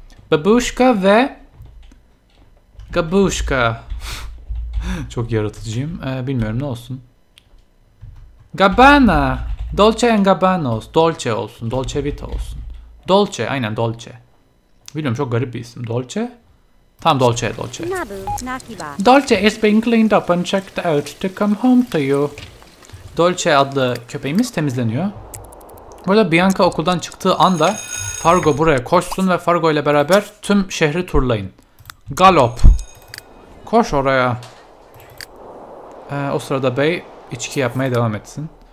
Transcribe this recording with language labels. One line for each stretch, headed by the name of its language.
Turkish: Babushka ve Gabushka. Çok yaratıcıyım. Bilmiyorum ne olsun. Gabbana. Dolce and Gabbana olsun. Dolce olsun. Dolce Vita olsun. Dolce, aynen Dolce. Bilmiyorum, çok garip bir isim. Dolce. Tam Dolce, Dolce.
English: Dolce has been cleaned up and checked out to come home to you.
Turkish: Dolce adlı köpeğimiz temizleniyor. Burada Bianca okuldan çıktığı anda Fargo buraya koşsun ve Fargo ile beraber tüm şehri turlayın. Galop. Koş oraya. O sırada Bey içki yapmaya devam etsin.